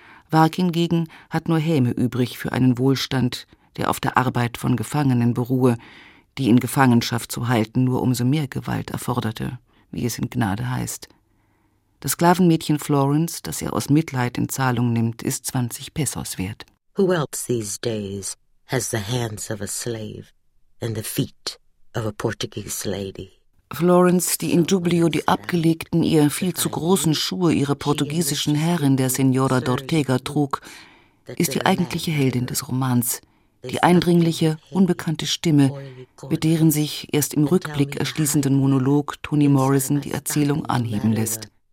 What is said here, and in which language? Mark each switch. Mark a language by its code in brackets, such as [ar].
[de] Varg hingegen hat nur Häme übrig für einen Wohlstand, der auf der Arbeit von Gefangenen beruhe, die in Gefangenschaft zu halten nur umso mehr Gewalt erforderte, wie es in Gnade heißt. Das Sklavenmädchen Florence, das er aus Mitleid in Zahlung nimmt, ist 20 Pesos wert. [en] Who else these days has the hands of a slave and the feet of a Portuguese lady? [de] Florence, die in Jubilio die abgelegten, ihr viel zu großen Schuhe ihrer portugiesischen Herrin, der Senora D'Ortega, trug, ist die eigentliche Heldin des Romans. Die eindringliche, unbekannte Stimme, mit deren sich erst im Rückblick erschließenden Monolog Toni Morrison die Erzählung anheben lässt.